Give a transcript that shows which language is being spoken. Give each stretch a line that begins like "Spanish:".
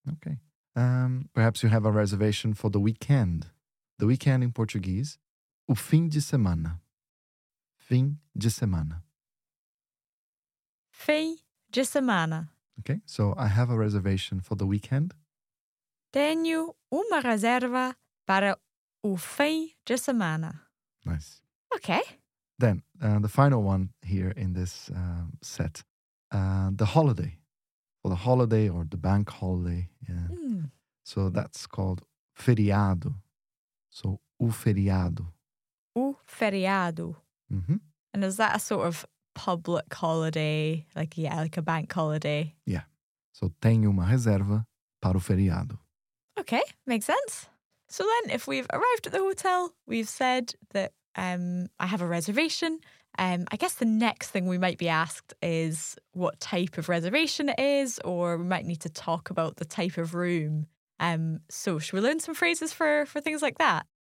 English: Okay. Perhaps you have a reservation for the weekend. The weekend in Portuguese,
Portuguese: o fim de semana. Fim de semana. Fim de semana.
English: Okay, so I have a reservation for the weekend.
Portuguese: Tenho uma reserva para o fim de semana.
English: Nice. Okay. Then, the final one here in this set, the holiday. Or the holiday or the bank holiday. Yeah. Mm. So that's called feriado. So,
Portuguese: o feriado. O feriado. Mm-hmm.
English: And is that a sort of public holiday? Like, yeah, like a bank holiday? Yeah. So,
Portuguese: tenho uma reserva para o feriado.
English: Okay, makes sense. So then if we've arrived at the hotel, we've said that I have a reservation. I guess the next thing we might be asked is what type of reservation it is, or we might need to talk about the type of room. So should we learn some phrases for things like that?